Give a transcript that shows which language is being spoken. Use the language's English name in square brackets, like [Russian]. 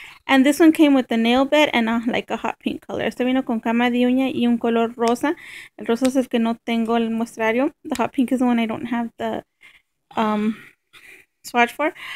[English] And this one came with the nail bed and like a hot pink color. [Spanish] Este vino con cama de uña y un color rosa. El rosa es el que no tengo el muestrario. [English] The hot pink is the one I don't have the swatch for.